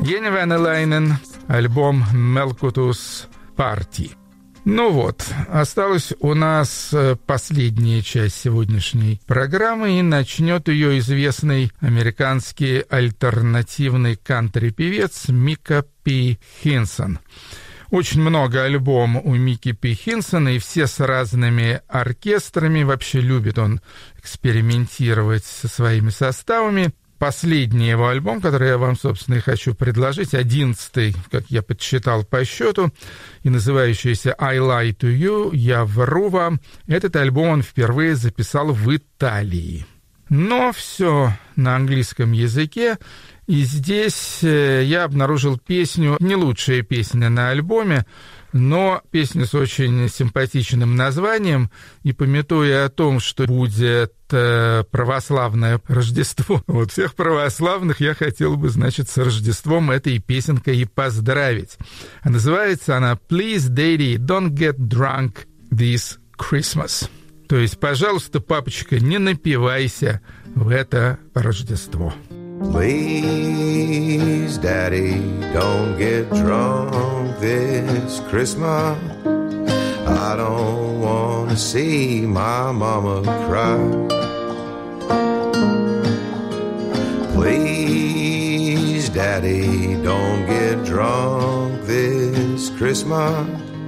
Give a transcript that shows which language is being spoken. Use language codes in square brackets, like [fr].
[ru] Venelainen, альбом Melkutus Party. Ну вот, осталась у нас последняя часть сегодняшней программы, и начнет ее известный американский альтернативный кантри-певец Мика Пи Хинсон. Очень много альбомов у Мики Пи Хинсона, и все с разными оркестрами. Вообще любит он экспериментировать со своими составами. Последний его альбом, который я вам, собственно, и хочу предложить, 11-й, как я подсчитал по счету, и называющийся «I lie to you», «Я вру вам», этот альбом он впервые записал в Италии. Но все на английском языке. И здесь я обнаружил песню, не лучшая песня на альбоме, но песня с очень симпатичным названием. И памятуя о том, что будет православное Рождество, вот всех православных я хотел бы, значит, с Рождеством этой песенкой и поздравить. А называется она «Please, Daddy, don't get drunk this Christmas». То есть, пожалуйста, папочка, не напивайся в это Рождество. [en] Please, Daddy, don't get drunk this Christmas. I don't wanna see my mama cry. Please, Daddy, don't get drunk this Christmas.